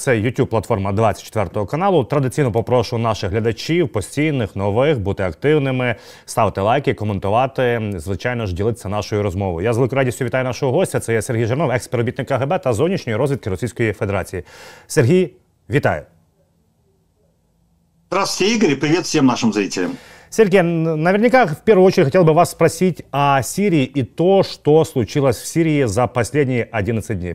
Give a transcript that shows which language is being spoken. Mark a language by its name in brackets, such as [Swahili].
[Ukrainian] Це YouTube-платформа 24 каналу. Традиційно попрошу наших глядачів, постійних, нових, бути активними, ставити лайки, коментувати, звичайно ж, ділитися нашою розмовою. Я з великою радістю вітаю нашого гостя. Це є Сергій Жернов, експробітник КГБ та зовнішньої розвідки Російської Федерації. Сергій, вітаю. Здравствуйте, Ігор, і привіт всім нашим зрителям. [Russian] Сергій, наверняка в первую очередь хотел бы вас спросить о Сирии и то, что случилось в Сирии за последние 11 дней.